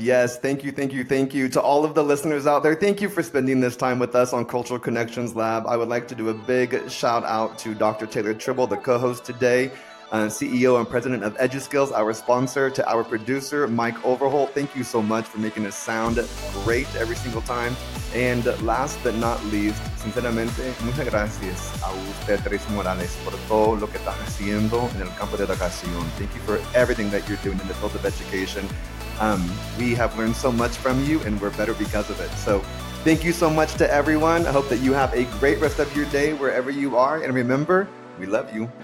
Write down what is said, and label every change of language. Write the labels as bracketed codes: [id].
[en] Yes, thank you, thank you, thank you to all of the listeners out there. Thank you for spending this time with us on Cultural Connections Lab. I would like to do a big shout out to Dr. Taylor Tribble, the co-host today, CEO and president of EduSkills, our sponsor, to our producer, Mike Overholt. Thank you so much for making us sound great every single time. [es] And last but not least, sinceramente, muchas gracias a usted, Tracey Morales, por todo lo que está haciendo en el campo de educación. [en] Thank you for everything that you're doing in the field of education. We have learned so much from you, and we're better because of it. So thank you so much to everyone. I hope that you have a great rest of your day wherever you are. And remember, we love you.